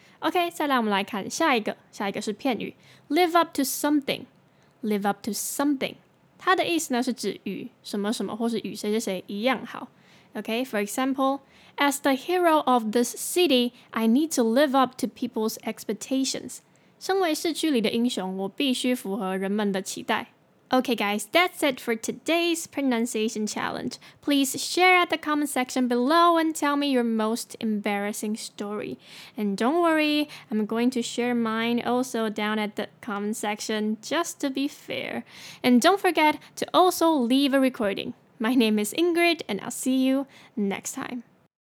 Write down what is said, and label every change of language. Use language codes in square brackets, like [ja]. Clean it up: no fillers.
[zh] OK, 再来我们来看下一个，下一个是片语 [en] Live up to something [zh] 它的意思呢是指与什么什么或是与谁谁谁一样好。 [en] OK, for example, As the hero of this city, I need to live up to people's expectations. [zh] 身为市区里的英雄，我必须符合人们的期待。 [en] OK guys, that's it for today's pronunciation challenge. Please share at the comment section below and tell me your most embarrassing story. And don't worry, I'm going to share mine also down at the comment section, just to be fair. And don't forget to also leave a recording. My name is Ingrid, and I'll see you next time.